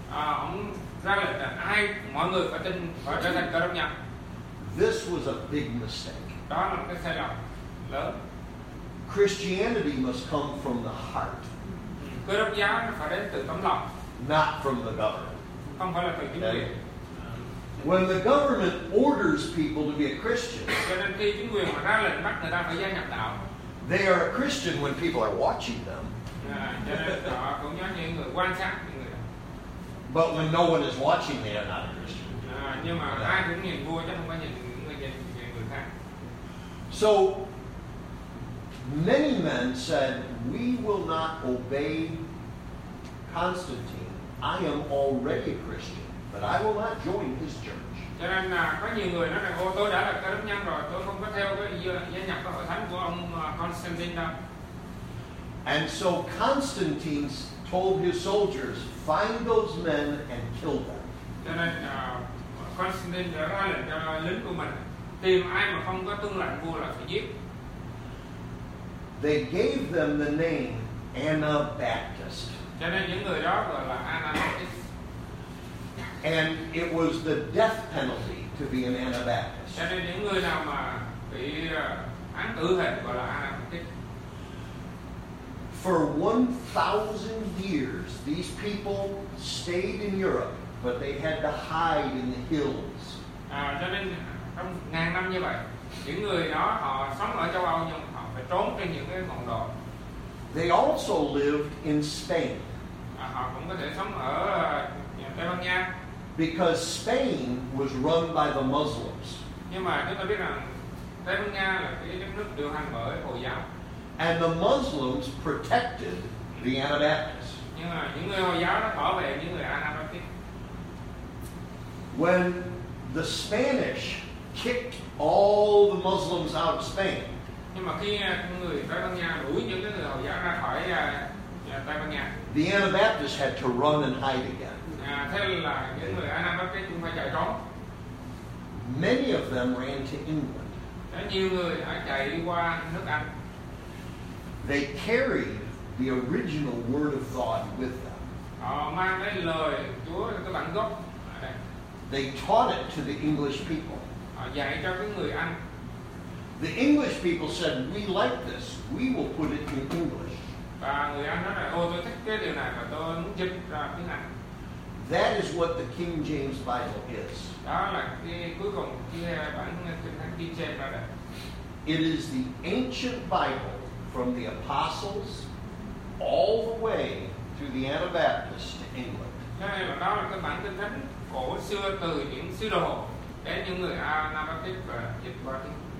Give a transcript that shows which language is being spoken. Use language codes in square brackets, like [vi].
[vi] Ông ra lệnh là ai, mọi người phải tin, phải trở thành Cơ Đốc nhân. [en] This was a big mistake. [vi] Đó là một cái sai lầm lớn. [en] Christianity must come from the heart. [vi] Cơ Đốc giáo phải đến từ tấm lòng. [en] Not from the government. [vi] Không phải là từ chính quyền. [en] When the government orders people to be a Christian, [vi] cho nên khi chính quyền mà ra lệnh bắt người ta phải gia nhập đạo, [en] they are a Christian when people are watching them. [vi] Cho nên họ cũng giống như người quan sát người. [en] But when no one is watching, they are not a Christian. [vi] Nhưng mà ai cũng nhìn vua chứ không có nhìn người khác. [en] So many men said, "We will not obey Constantine. I am already a Christian, but I will not join his church." [vi] Cho nên là có nhiều người nói rằng, "Ôi, tôi đã là Cơ Đốc nhân rồi, tôi không có theo cái gia nhập cái hội thánh của ông Constantine đâu." [en] And so Constantine told his soldiers, "Find those men and kill them." [vi] Cho nên Constantine đã ra lệnh cho lính của mình tìm ai mà không có tuân lệnh vua là phải giết. [en] They gave them the name Anabaptist. [vi] Cho nên những người đó gọi là Anabaptist. [en] And it was the death penalty to be an Anabaptist. [vi] Cho nên những người nào mà bị án tử hình gọi là Anabaptist. [en] For 1,000 years, these people stayed in Europe, but they had to hide in the hills. [vi] Cho nên trong ngàn năm như vậy, những người đó họ sống ở châu Âu nhưng họ phải trốn trên những cái ngọn đồi. [en] They also lived in Spain. [vi] Họ cũng có thể sống ở Tây Ban Nha. [en] Because Spain was run by the Muslims. [vi] Nhưng mà chúng ta biết rằng Tây Ban Nha là cái đất nước điều hành bởi Hồi giáo. [en] And the Muslims protected the Anabaptists. [vi] Nhưng mà những người Hồi giáo đã bảo vệ những người Anabaptist. [en] When the Spanish kicked all the Muslims out of Spain. [vi] Nhưng mà khi người Tây Ban Nha đuổi những người Hồi giáo ra khỏi Tây Ban Nha. [en] The Anabaptists had to run and hide again. [vi] Thế là những người Anabaptists cũng phải chạy trốn. [en] Many of them ran to England. [vi] Đã nhiều người đã chạy qua nước Anh. [en] They carried the original word of God with them. [vi] Họ mang cái lời Chúa, cái bản gốc. [en] They taught it to the English people. [vi] Dạy cho cái người Anh. [en] The English people said, "We like this. We will put it in English." [vi] Và người Anh nói là, "Ô, tôi thích cái điều này và tôi muốn dịch ra tiếng Anh." [en] That is what the King James Bible is. [vi] Đó là cái cuối cùng cái bản kinh thánh King James đó. [en] It is the ancient Bible from the apostles all the way through the Anabaptists to England. [vi] Cho nên là đó là cái bản kinh thánh cổ xưa từ những sứ đồ đến những người Anabaptist và dịch qua tiếng